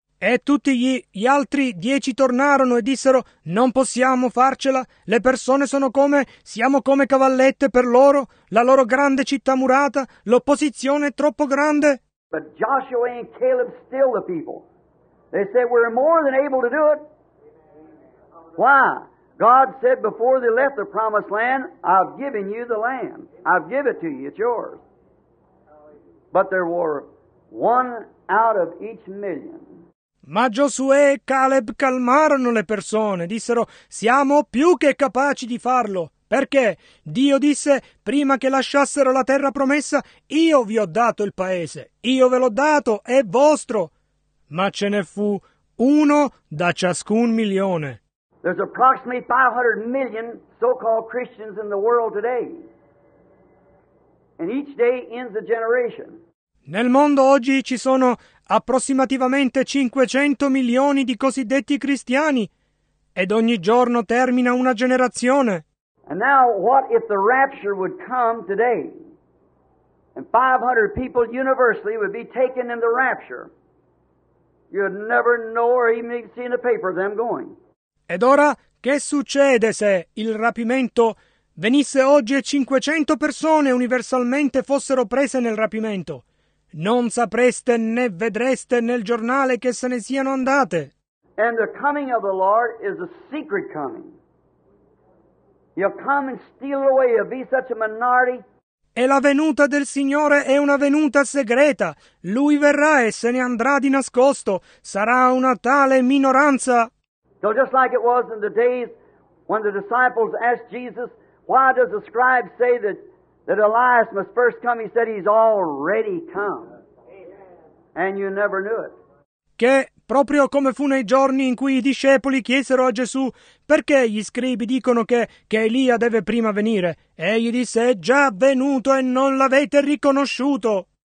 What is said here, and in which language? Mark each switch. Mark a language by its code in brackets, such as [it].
[it] E tutti gli altri 10 tornarono e dissero, non possiamo farcela, le persone sono come, siamo come cavallette per loro, la loro grande città murata, l'opposizione è troppo grande. [en] But Joshua and Caleb still the people. They said, we're more than able to do it. Why? God said before they left the promised land, I've given you the land. I've given it to you. It's yours. But there were one out of each million. [it] Ma Giosuè e Caleb calmarono le persone. Dissero, siamo più che capaci di farlo. Perché Dio disse, prima che lasciassero la terra promessa, io vi ho dato il paese. Io ve l'ho dato, è vostro. Ma ce ne fu uno da ciascun milione. [en] There's approximately 500 million so-called Christians in the world today. And each day ends a generation. [it] Nel mondo oggi ci sono approssimativamente 500 milioni di cosiddetti cristiani ed ogni giorno termina una generazione. [en] And now what if the rapture would come today? And 500 people universally would be taken in the rapture. You'd never know or even see in the paper them going. [it] Ed ora, che succede se il rapimento venisse oggi e 500 persone universalmente fossero prese nel rapimento? Non sapreste né vedreste nel giornale che se ne siano andate. [en] And the coming of the Lord is a secret coming. He'll come and steal away. He'll be such a minority. [it] E la venuta del Signore è una venuta segreta. Lui verrà e se ne andrà di nascosto. Sarà una tale minoranza. [en] So just like it was in the days when the disciples asked Jesus, why does the scribe say that Elias must first come? He said, he's already come. And you never knew it. [it] Che proprio come fu nei giorni in cui i discepoli chiesero a Gesù, perché gli scribi dicono che Elia deve prima venire? Egli disse, è già venuto e non l'avete riconosciuto.